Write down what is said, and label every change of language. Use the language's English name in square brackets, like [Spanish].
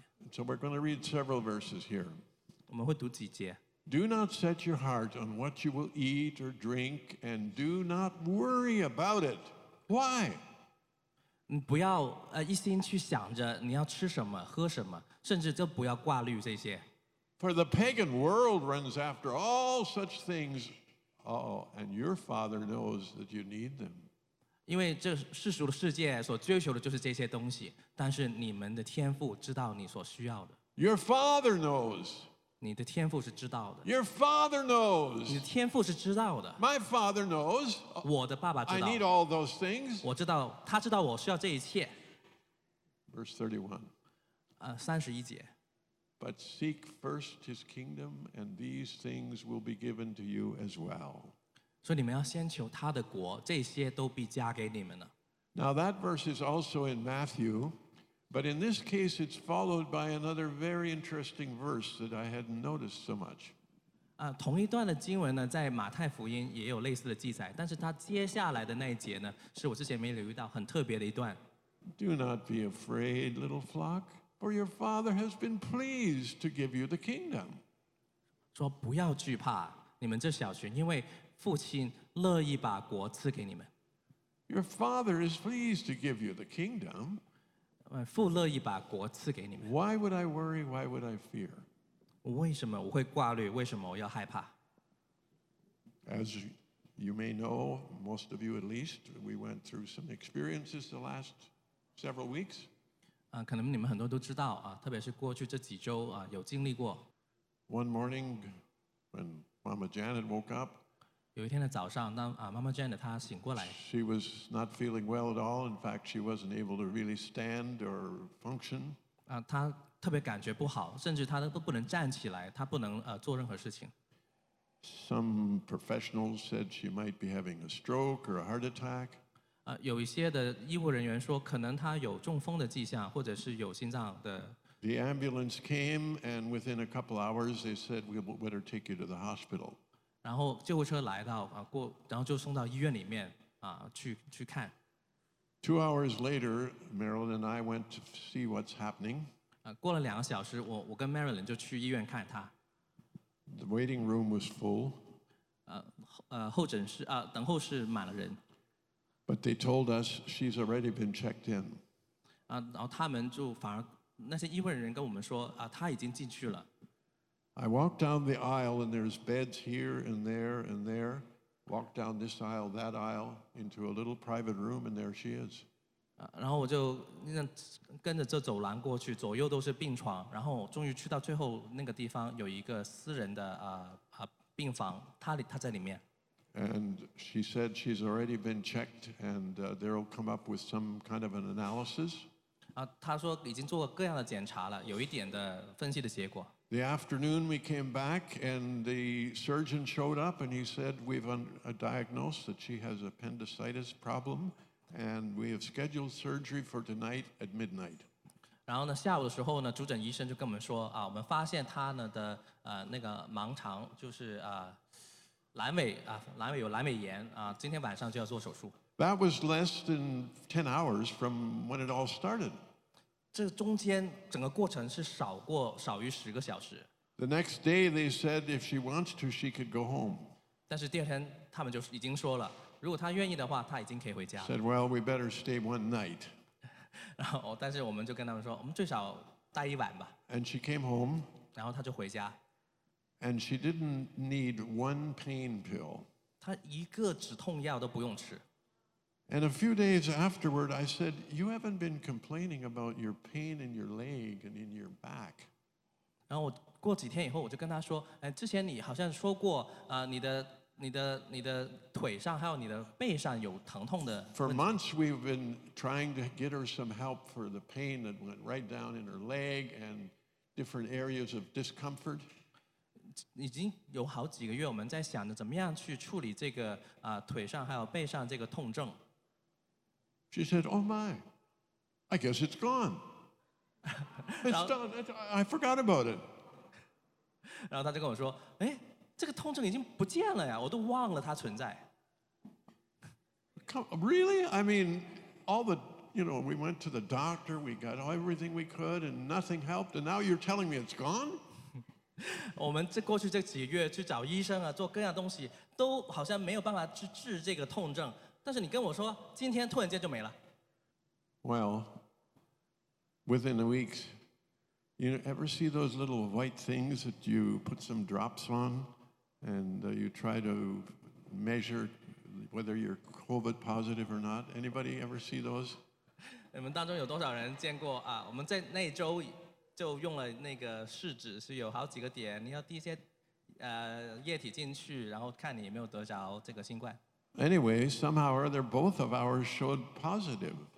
[English] So we're going to read several verses here. [Chinese] 我们会读几节。 [English] Do not set your heart on what you will eat or drink, and do not worry about it. Why? [Chinese] 不要一心去想着你要吃什么喝什么，甚至就不要挂虑这些。 [English] For the pagan world runs after all such things, and your father knows that you need them. [Chinese] 因为这世俗的世界所追求的就是这些东西，但是你们的天父知道你所需要的。 [English] Your father knows. [Chinese] 你的天父是知道的。 [English] Your father knows. [Chinese] 你的天父是知道的。 [English] My father knows. [Chinese] 我的爸爸知道。 [English] I need all those things. [Chinese] 我知道，他知道我需要这一切。 [English] Verse 31. [Chinese] 31节。 [English] But seek first his kingdom, and these things will be given to you as well. [Chinese] 所以你们要先求他的国，这些都必加给你们了。 [English] Now that verse is also in Matthew, but in this case it's followed by another very interesting verse that I hadn't noticed so much. [Chinese] 同一段的经文呢，在马太福音也有类似的记载，但是它接下来的那一节呢，是我之前没留意到很特别的一段。 [English] Do not be afraid, little flock, for your Father has been pleased to give you the kingdom. [Chinese] 说不要惧怕，你们这小群，因为父亲乐意把国赐给你们。 [English] Your father is pleased to give you the kingdom. [Chinese] 父乐意把国赐给你们。 [English] Why would I worry? Why would I fear? [Chinese] 为什么我会挂虑？为什么我要害怕？ [English] As you may know, most of you at least, we went through some experiences the last several weeks. [Chinese] 可能你们很多都知道特别是过去这几周有经历过。 [English] One morning, when Mama Janet woke up. [Chinese] 有一天的早上，当妈Jane她醒过来 [English] ，She was not feeling well at all. In fact, she wasn't able to really stand or function. [Chinese] 她特别感觉不好，甚至她都不能站起来，她不能做任何事情。 [English] Some professionals said she might be having a stroke or a heart attack. [Chinese] 有一些的医护人员说，可能她有中风的迹象，或者是有心脏的。 [English] The ambulance came, and within a couple hours, they said we'd better take you to the hospital. [Chinese] 然后救护车来到啊过，然后就送到医院里面啊去看。 [English] 2 hours later, Marilyn and I went to see what's happening. [Chinese] 过了两个小时，我跟 Marilyn 就去医院看他。 [English] The waiting room was full. [Chinese] 候诊室啊等候室满了人。 [English] But they told us she's already been checked in. [Chinese] 然后他们就反而那些医护人员跟我们说啊他已经进去了。 [English] I walked down the aisle, and there's beds here and there and there. Walked down this aisle, that aisle, into a little private room, and there she is. [Chinese] 然后我就跟着这走廊过去，左右都是病床。然后终于去到最后那个地方，有一个私人的病房，她在里面。 [English] And she said she's already been checked, and they'll come up with some kind of an analysis. [Chinese] 她说已经做了各样的检查了，有一点的分析的结果。 [English] The afternoon we came back and the surgeon showed up and he said we've diagnosed that she has appendicitis problem and we have scheduled surgery for tonight at midnight. [Chinese] 然后呢下午的时候呢主诊医生就跟我们说啊我们发现她呢的那个盲肠就是阑尾有阑尾炎啊今天晚上就要做手术。 [English] That was less than 10 hours from when it all started. [Chinese] 这中间整个过程是少于十个小时。 [English] The next day they said if she wants to, she could go home. [Chinese] 但是第二天他们就已经说了，如果她愿意的话，她已经可以回家。 [English] Said, well, we better stay one night. [Chinese] 然后，但是我们就跟他们说，我们最少待一晚吧。 [English] And she came home. [Chinese] 然后她就回家。 [English] And she didn't need one pain pill. [Chinese] 她一个止痛药都不用吃。 [English] And a few days afterward, I said, you haven't been complaining about your pain in your leg and in your back. [Chinese] 然后过几天以后，我就跟他说，哎，之前你好像说过，你的腿上还有你的背上有疼痛的。 [English] For months, we've been trying to get her some help for the pain that went right down in her leg and different areas of discomfort. [Chinese] 已经有好几个月，我们在想着怎么样去处理这个腿上还有背上这个痛症。 [English] She said, oh my, I guess it's gone. It's done. I forgot about it. [Chinese] 然后他就跟我说，哎，这个痛症已经不见了呀，我都忘了它存在。 [English] Come, really? I mean, all the, you know, we went to the doctor, we got everything we could, and nothing helped, and now you're telling me it's gone? [Chinese] 我们这过去这几个月去找医生啊，做各样东西，都好像没有办法去治这个痛症。但是你跟我说，今天突然间就没了。 [English] Well, within a week, you ever see those little white things that you put some drops on, and you try to measure whether you're COVID positive or not? Anybody ever see those? [Chinese] 你们当中有多少人见过啊？我们在那周就用了那个试纸，是有好几个点，你要滴一些液体进去，然后看你有没有得着这个新冠。 [English] Anyway, somehow or other, both of ours showed positive.